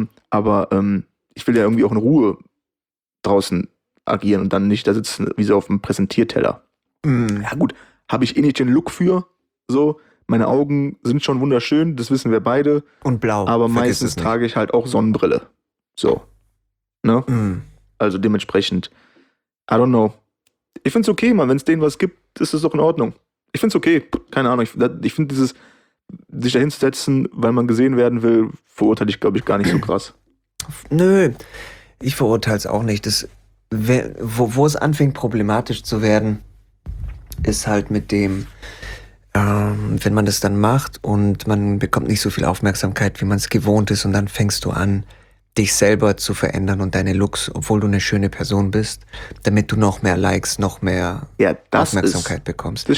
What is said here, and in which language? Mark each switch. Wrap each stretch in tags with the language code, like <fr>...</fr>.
<de>Aber ich will ja irgendwie auch in Ruhe draußen agieren und dann nicht da sitzen wie so auf dem Präsentierteller. Ja gut, habe ich eh nicht den Look für. So, meine Augen sind schon wunderschön, das wissen wir beide. Und blau. Aber meistens trage ich halt auch Sonnenbrille. So. Ne? Also dementsprechend,</de> <en>I don't know.</en> <de>Ich find's okay, man. Wenn es denen was gibt, ist es doch in Ordnung. Ich find's okay. Keine Ahnung. Ich finde dieses, sich da hinzusetzen, weil man gesehen werden will, verurteile ich, glaube ich, gar nicht so krass. Nö, ich verurteile es auch nicht. Wo es anfängt, problematisch zu werden, ist halt mit dem, wenn man das dann macht und man bekommt nicht so viel Aufmerksamkeit, wie man es gewohnt ist, und dann fängst du an, dich selber zu verändern und deine Looks, obwohl du eine schöne Person bist, damit du noch mehr Likes, noch mehr Aufmerksamkeit bekommst.</de>